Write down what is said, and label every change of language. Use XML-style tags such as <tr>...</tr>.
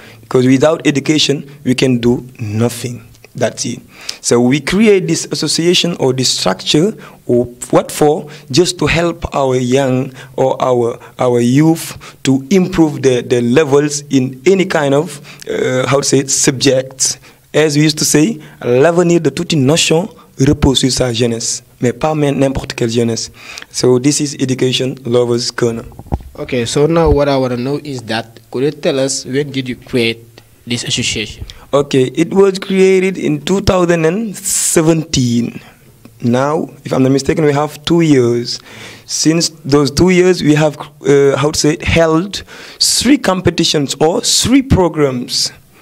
<en>Because without education, we can do nothing. That's it. So we create this association or this structure, or what for? Just to help our young or our youth to improve their levels in any kind of subjects. As we used to say,</en> <fr>l'avenir de toute nation repose sur sa jeunesse, mais pas même n'importe quelle jeunesse.</fr> <en>So this is Education Lovers Corner. Okay, so now what I want to know is that, could you tell us, when did you create this association? Okay, it was created in 2017. Now, if I'm not mistaken, we have 2 years. Since those 2 years, we have held three competitions or three programs.</en>